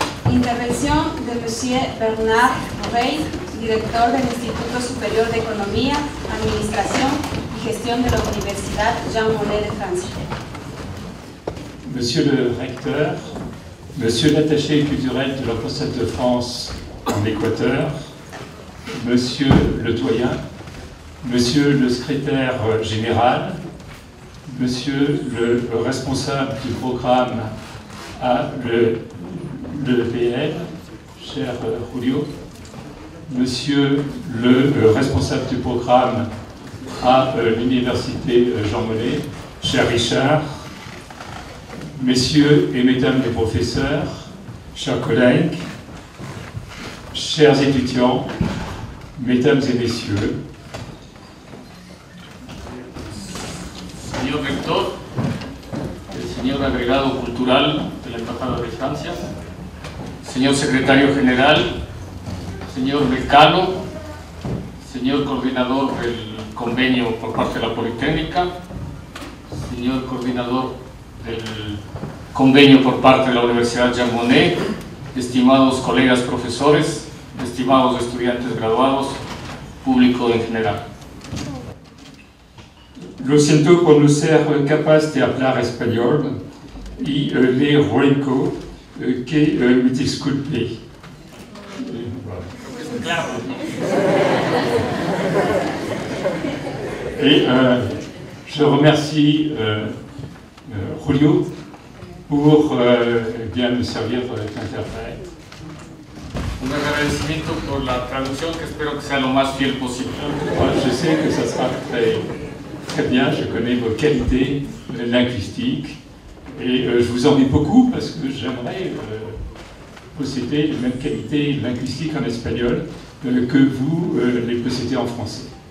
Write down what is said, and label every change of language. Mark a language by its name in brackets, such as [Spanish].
[Spanish] Intervención de Monsieur Bernard Rey, director del Instituto Superior de Economía, Administración y Gestión de la Universidad Jean Monnet de Francia. [French] Monsieur le recteur, Monsieur l'attaché culturel de l'Ambassade de France en Équateur, Monsieur le doyen, Monsieur le secrétaire général, Monsieur le responsable du programme à l'EPL, cher Julio, Monsieur le responsable du programme à l'Université Jean Monnet, cher Richard, Messieurs et Mesdames les professeurs, chers collègues, chers étudiants, Mesdames et Messieurs. [Spanish] Señor rector, el señor agregado cultural de la Embajada de Francia, señor secretario general, señor decano, señor coordinador del convenio por parte de la Politécnica, señor coordinador del convenio por parte de la Universidad Jean Monnet, estimados colegas profesores, estimados estudiantes graduados, público en general. Lo siento por no ser capaz de hablar español y le ruego que me disculpe. [French] Et je remercie Julio pour bien me servir d'interprète. [Spanish] Un agradecimiento por la traducción que espero que sea lo más fiel posible. [French] Je sais que ça sera très bien, je connais vos qualités linguistiques et je vous envie beaucoup parce que j'aimerais posséder les mêmes qualités linguistiques en espagnol que vous les possédez en français.